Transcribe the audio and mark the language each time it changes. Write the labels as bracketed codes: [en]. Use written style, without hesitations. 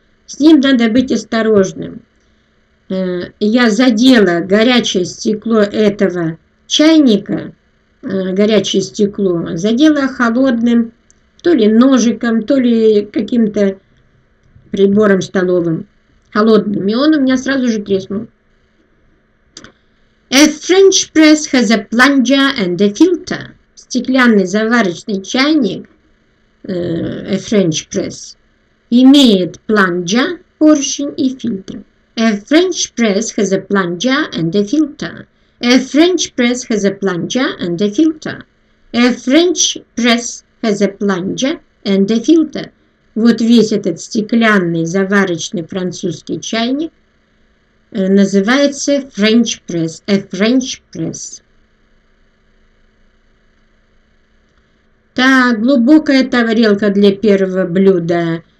[ru] С ним надо быть осторожным. Я задела горячее стекло этого чайника, горячее стекло, задела холодным, то ли ножиком, то ли каким-то прибором столовым, холодным, и он у меня сразу же треснул. [en] A French press has a plunger and a filter. [ru] Стеклянный заварочный чайник, [en] a French press, [ru] имеет plunger, поршень и фильтр. [en] A French press has a plunger and a filter. A French press has a plunger and a filter. A French press has a plunger and a filter. [ru] Вот весь этот стеклянный заварочный французский чайник называется French press. [en] A French press. [ru] Так, глубокая тарелка для первого блюда.